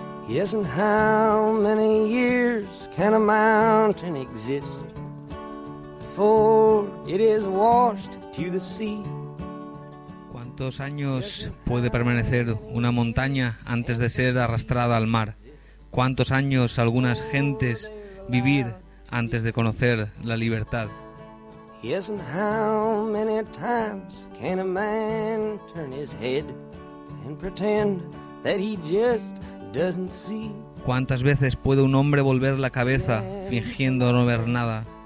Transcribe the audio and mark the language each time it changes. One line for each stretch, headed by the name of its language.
English: Yes, and how many years can a mountain exist before it is washed to the sea?
Spanish: ¿Cuántos años puede permanecer una montaña antes de ser arrastrada al mar? ¿Cuántos años algunas gentes vivir antes de conocer la libertad?
English: Yes, and how many times can a man turn his head and pretend that he just doesn't see?
Spanish: ¿Cuántas veces puede un hombre volver la cabeza fingiendo no ver nada?